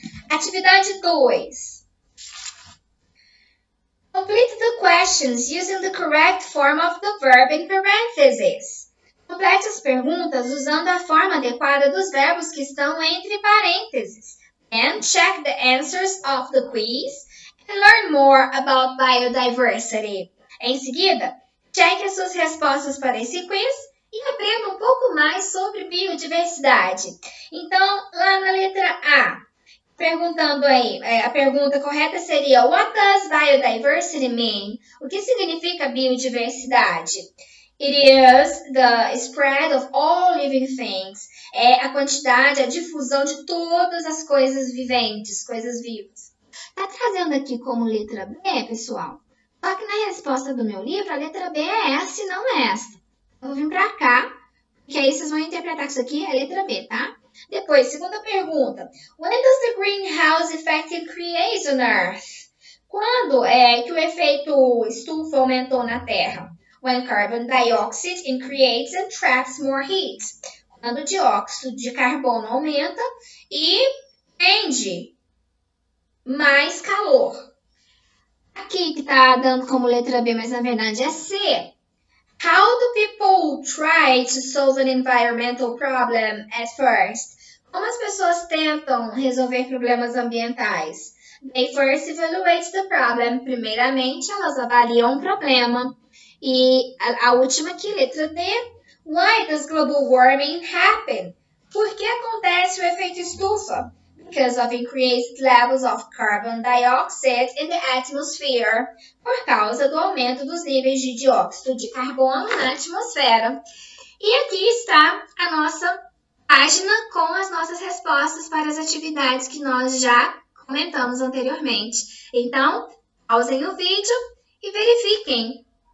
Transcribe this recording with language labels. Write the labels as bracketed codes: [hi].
[pt] Atividade 2. [en] Complete the questions using the correct form of the verb in parentheses. [pt] Complete as perguntas usando a forma adequada dos verbos que estão entre parênteses. [en] And check the answers of the quiz and learn more about biodiversity. [pt] Em seguida, cheque as suas respostas para esse quiz e aprenda um pouco mais sobre biodiversidade. Então, lá na letra A, perguntando aí, a pergunta correta seria: [en] What does biodiversity mean? [pt] O que significa biodiversidade? [en] It is the spread of all living things. [pt] É a quantidade, a difusão de todas as coisas viventes, coisas vivas. Tá trazendo aqui como letra B, pessoal? Só que na resposta do meu livro, a letra B é S, não é esta. Eu vou vir para cá, porque aí vocês vão interpretar que isso aqui é a letra B, tá? Depois, segunda pergunta. [en] When does the greenhouse effect increase on Earth? [pt] Quando é que o efeito estufa aumentou na Terra? [en] When carbon dioxide increases and traps more heat. [pt] Quando o dióxido de carbono aumenta e prende mais calor. Aqui que está dando como letra B, mas na verdade é C. [en] How do people try to solve an environmental problem at first? [pt] Como as pessoas tentam resolver problemas ambientais? [en] They first evaluate the problem. [pt] Primeiramente, elas avaliam o problema. E a última aqui, letra D. [en] Why does global warming happen? [pt] Por que acontece o efeito estufa? [en] Because of increased levels of carbon dioxide in the atmosphere. [pt] Por causa do aumento dos níveis de dióxido de carbono na atmosfera. E aqui está a nossa página com as nossas respostas para as atividades que nós já comentamos anteriormente. Então, pausem o vídeo e verifiquem.